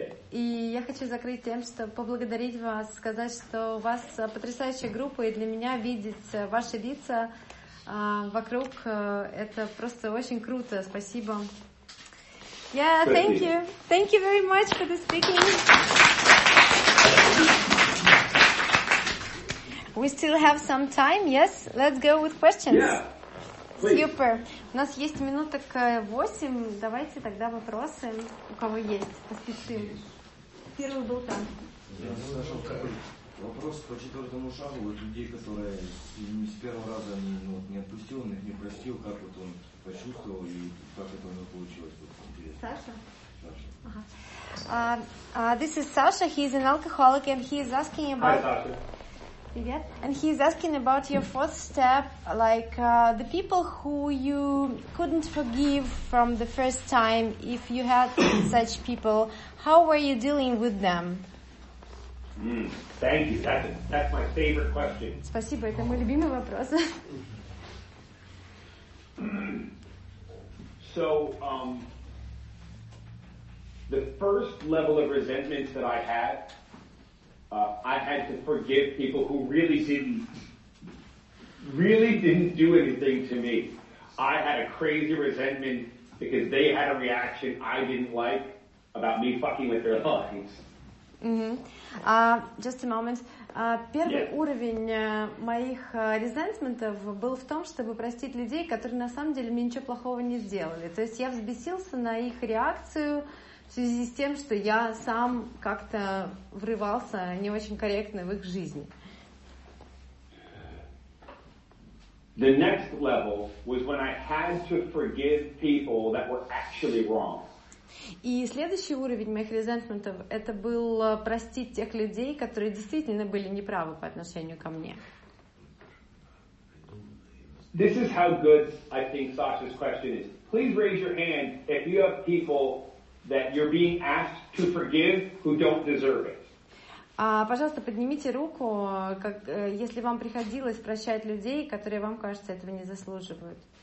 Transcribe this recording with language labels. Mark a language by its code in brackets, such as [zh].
[ru] И я хочу закрыть тем, что поблагодарить вас, сказать, что у вас потрясающая группа, и для меня видеть ваши лица вокруг это просто очень круто. Спасибо. [en] Yeah, thank you. Thank you very much for the speaking. We still have some time. Yes, let's go with questions. Yeah. Super. [ru] У нас есть минуток 8. Давайте тогда вопросы, у кого есть, поспешим. Первый был там. Я нашел такой вопрос по четвертому шагу. Вот людей, которые не с первого раза они, ну, не отпустил, он их не простил, как вот он почувствовал и как это у него получилось. Вот, интересно. Саша? Саша. [en] This is Sasha, he is an alcoholic and he is asking about... Hi, Sasha. [ru] Привет. [en] And he's asking about your fourth step, like the people who you couldn't forgive from the first time, if you had such people, how were you dealing with them? Thank you. That's my favorite question. [ru] Спасибо, это мой любимый вопрос. [en] So, the first level of resentment that I had, I had to forgive people who really didn't do anything to me. I had a crazy resentment because they had a reaction I didn't like about me fucking with their lives. Mm-hmm. Just a moment. [ru] Первый [en] yeah. [ru] уровень моих резентментов был в том, чтобы простить людей, которые на самом деле мне ничего плохого не сделали. То есть я взбесился на их реакцию в связи с тем, что я сам как-то врывался не очень корректно в их жизни. [en] The next level was when I had to forgive people that were actually wrong. [ru] И следующий уровень моих резентментов — это был простить тех людей, которые действительно были неправы по отношению ко мне. [en] This is how good I think Sasha's question is. Please raise your hand if you have people that you're being asked to forgive who don't deserve it. [ru] Пожалуйста, поднимите руку, как, если вам приходилось прощать людей, которые вам кажется этого не заслуживают.